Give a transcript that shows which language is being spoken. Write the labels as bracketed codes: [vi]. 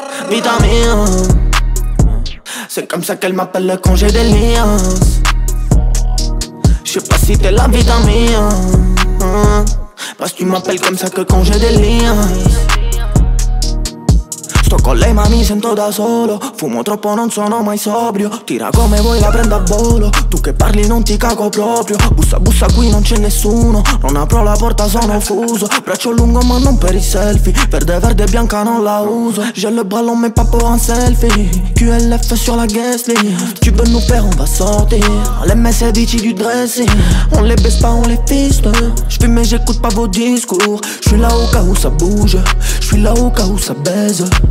[fr] Vitamine. C'est comme ça qu'elle m'appelle quand j'ai des liens. J'sais pas si t'es la vitamine. Parce que tu m'appelles comme ça que quand j'ai des liens. [it] Sto con lei ma mi sento da solo. Fumo troppo non sono mai sobrio. Tira come vuoi la prendo a volo. Tu che parli non ti cago proprio. Bussa bussa qui non c'è nessuno. Non apro la porta sono fuso. Braccio lungo ma non per i selfie. Verde verde bianca non la uso. [fr] J'ai le ballon mais pas pour un selfie. QLF sur la guest list. Tu veux nous faire on va sortir. Les MSDC du dressing. On les baisse pas on les fiste. J'fume mais j'écoute pas vos discours. J'suis là au cas où ça bouge. J'suis là au cas où ça baise.